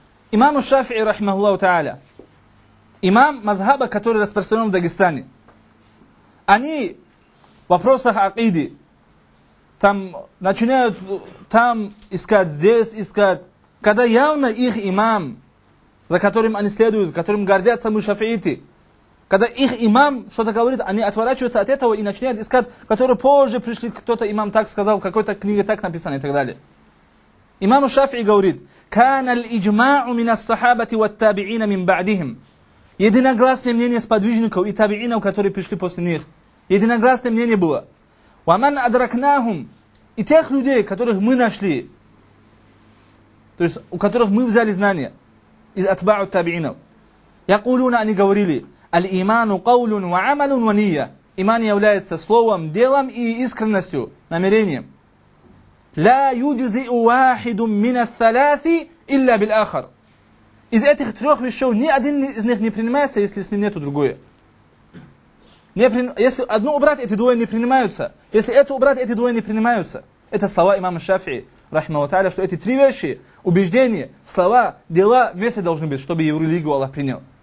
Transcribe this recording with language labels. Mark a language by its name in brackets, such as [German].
[Russian] Имам Шафии, рахмаллаху та'аля, имам мазхаба, который распространен в Дагестане, они в вопросах акиды там начинают там искать, здесь искать, когда явно их имам, за которым они следуют, которым гордятся мы шафииты, когда их имам что-то говорит, они отворачиваются от этого и начинают искать, которые позже пришли, кто-то имам так сказал, в какой-то книге так написано и так далее. Имам Шафии говорит, [Arabic] كان الإجماع من الصحابة والتابعين من بعدهم. [Russian] Единогласное мнение сподвижников и табиинов, которые пришли после них. Единогласное мнение было. [Arabic] ومن أدركناهم. [Russian] И тех людей, которых мы нашли, то есть у которых мы взяли знания из атбау табиинов. [Arabic] يقولون, [Russian] они говорили, [Arabic] الإيمان قول وعمل ونية. [Russian] Иман является словом, делом и искренностью, намерением. [Arabic] لا يجزئ واحد من الثلاث إلا بالآخر. [Russian] Из этих трех вещей ни один из них не принимается, если с ним нету другое. Если одно убрать, эти двое не принимаются. Если это убрать, эти двое не принимаются. Это слова имама Шафии, рахмаху тааля, что эти три вещи, убеждения, слова, дела вместе должны быть, чтобы его религию Аллах принял.